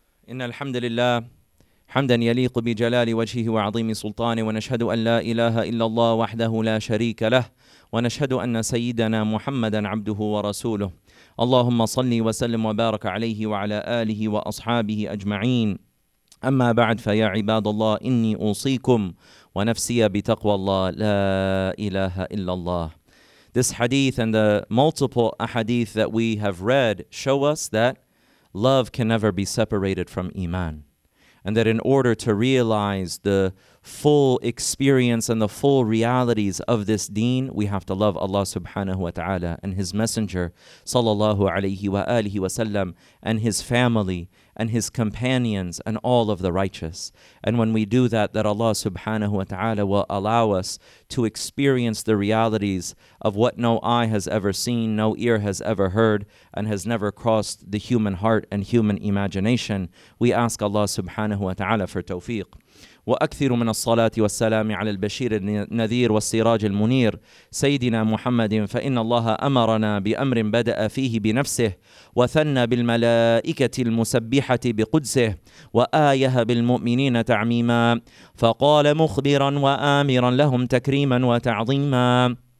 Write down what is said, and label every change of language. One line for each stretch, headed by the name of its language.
Arabic: إن الحمد لله حمدا يليق بجلال وجهه وعظيم سلطانه ونشهد أن لا إله إلا الله وحده لا شريك له ونشهد أن سيدنا محمدا عبده ورسوله. اللهم صل وسلم وبارك عليه وعلى آله وأصحابه أجمعين. أما بعد فيا عباد الله إني أوصيكم ونفسي بتقوى الله لا إله إلا الله.
English: This hadith and the multiple ahadith that we have read show us that love can never be separated from iman, and that in order to realize the full experience and the full realities of this deen, we have to love Allah subhanahu wa ta'ala and His Messenger sallallahu alayhi wa alihi wa sallam, and His family and His companions and all of the righteous. And when we do that, that Allah subhanahu wa ta'ala will allow us to experience the realities of what no eye has ever seen, no ear has ever heard, and has never crossed the human heart and human imagination. We ask Allah subhanahu wa ta'ala for tawfiq.
Arabic: وأكثر من الصلاة والسلام على البشير النذير والسراج المنير سيدنا محمد، فإن الله أمرنا بأمر بدأ فيه بنفسه، وثنى بالملائكة المسبحة بقدسه، وآيه بالمؤمنين تعميما، فقال مخبرا وآمرا لهم تكريما وتعظيما: